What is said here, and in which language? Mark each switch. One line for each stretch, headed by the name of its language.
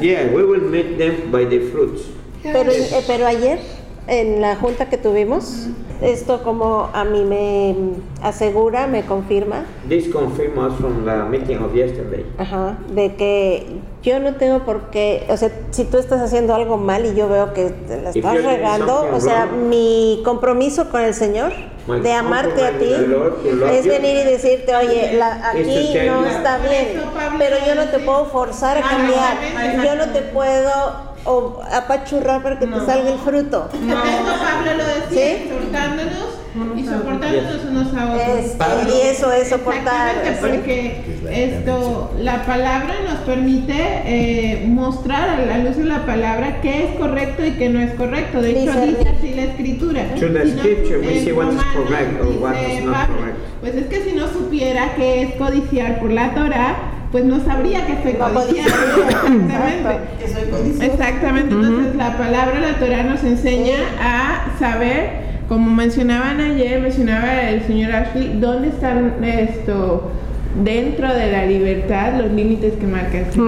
English: Yeah, we will meet them by the fruits.
Spanish: Pero ayer, en la junta que tuvimos, esto como a mí me asegura, me confirma.
English: This confirms us from the meeting of yesterday.
Spanish: Ajá, de que yo no tengo por qué, o sea, si tú estás haciendo algo mal y yo veo que te la estás regando, o sea,
English: wrong,
Spanish: mi compromiso con el Señor, de amarte a ti, es venir y decirte, oye, aquí no está bien, pero yo no te puedo forzar a cambiar, yo no te puedo o apachurrar para que no te salga el fruto. No. Esto Pablo lo decía, ¿sí? Soportándonos y soportándonos unos a otros. Y eso es soportar. Porque esto, la palabra nos permite mostrar a la luz de la palabra qué es correcto y qué no es correcto. De hecho, dice así la escritura.
English: Through the scripture, we see what is correct or what is not correct.
Spanish: Pues es que si no supiera qué es codiciar por la Torah, pues no sabría que estoy codiciando. Exactamente. Entonces, la palabra, la Torah, nos enseña a saber, como mencionaban ayer, mencionaba el señor Ashley, dónde están esto dentro de la libertad, los límites que marca el